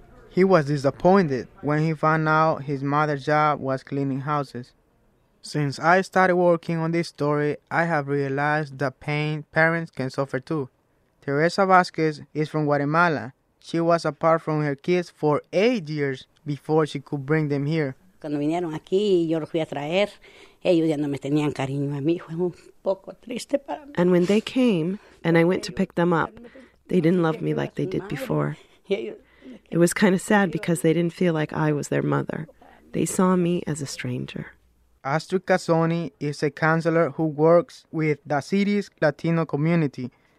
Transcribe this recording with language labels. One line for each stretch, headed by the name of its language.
English: He was disappointed when he found out his mother's job was cleaning houses. Since I started working on this story, I have realized the pain parents can suffer too. Teresa Vasquez is from Guatemala. She was apart from her kids for 8 years before she could bring them here.
Spanish: Cuando vinieron aquí y yo los fui a traer, ellos ya no me tenían cariño a mí. Fue un poco triste para mí.
English: And when they came and I went to pick them up, they didn't love me like they did before. It was kind of sad because they didn't feel like I was their mother. They saw me as a stranger. Astrid Casoni is a counselor who works with the city's Latino community.